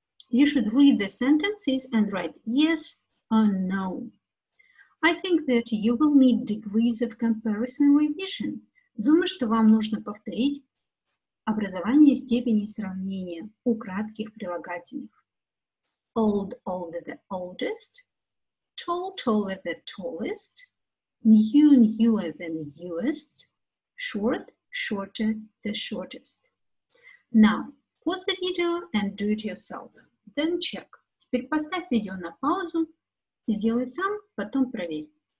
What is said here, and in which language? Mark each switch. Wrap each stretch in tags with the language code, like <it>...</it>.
<en>You should read the sentences and write yes or no. I think that you will need degrees of comparison revision.</en> <ru>Думаю, что вам нужно повторить образование степени сравнения у кратких прилагательных.</ru> <en>Old, older, the oldest. Tall, taller, the tallest. New, newer, the newest. Short, shorter, the shortest. Now, pause the video and do it yourself. Then check.</en> <ru>Теперь поставь видео на паузу и сделай сам, потом проверь.</ru>